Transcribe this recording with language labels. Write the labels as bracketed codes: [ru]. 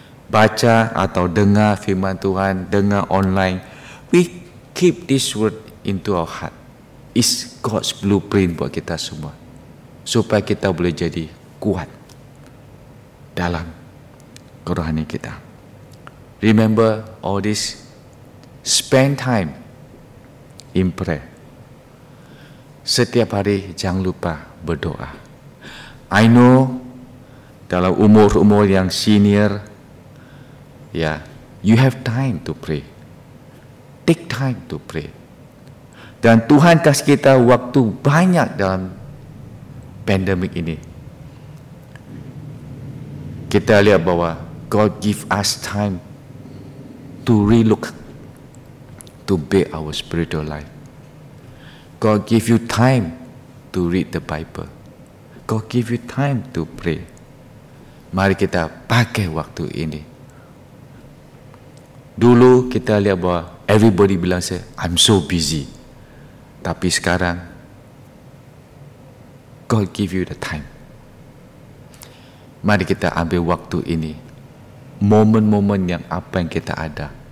[id] Baca atau dengar firman Tuhan, dengar online, [en] we keep this word into our heart. It's God's blueprint [id] buat kita semua. Supaya kita boleh jadi kuat dalam kerohanian kita. [en] Remember all this, spend time in prayer. [id] Setiap hari jangan lupa berdoa. [en] I know [id] kalau umur-umur yang senior, ya, [en] you have time to pray. Take time to pray. [id] Dan Tuhan kasih kita waktu banyak dalam pandemik ini. Kita lihat bahwa [en] God give us time to relook, to build our spiritual life. God give you time to read the Bible. God give you time to pray. [id] Mari kita pakai waktu ini. Dulu kita lihat bahwa everybody bilang saya, [en] I'm so busy. [id] Tapi sekarang, [en] God give you the time. [id] Mari kita ambil waktu ini. Momen-momen yang apa yang kita ada.